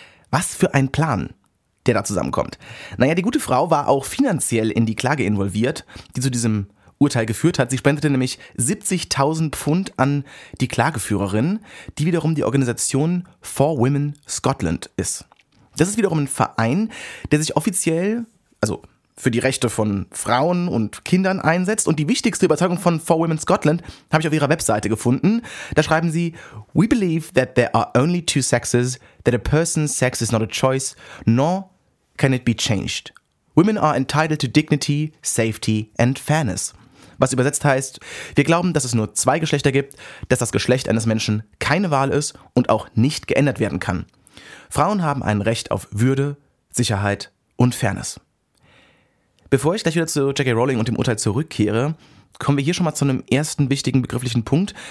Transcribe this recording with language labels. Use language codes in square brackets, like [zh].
[de] Was für ein Plan, der da zusammenkommt. Naja, die gute Frau war auch finanziell in die Klage involviert, die zu diesem Urteil geführt hat. Sie spendete nämlich 70.000 Pfund an die Klageführerin, die wiederum die Organisation For Women Scotland ist. Das ist wiederum ein Verein, der sich offiziell, also für die Rechte von Frauen und Kindern einsetzt. Und die wichtigste Überzeugung von For Women Scotland habe ich auf ihrer Webseite gefunden. [en] Da schreiben sie: We believe that there are only two sexes, that a person's sex is not a choice, nor can it be changed. Women are entitled to dignity, safety and fairness. [de] Was übersetzt heißt: Wir glauben, dass es nur zwei Geschlechter gibt, dass das Geschlecht eines Menschen keine Wahl ist und auch nicht geändert werden kann. Frauen haben ein Recht auf Würde, Sicherheit und Fairness. Bevor ich gleich wieder zu J.K. Rowling und dem Urteil zurückkehre, kommen wir hier schon mal zu einem ersten wichtigen begrifflichen Punkt.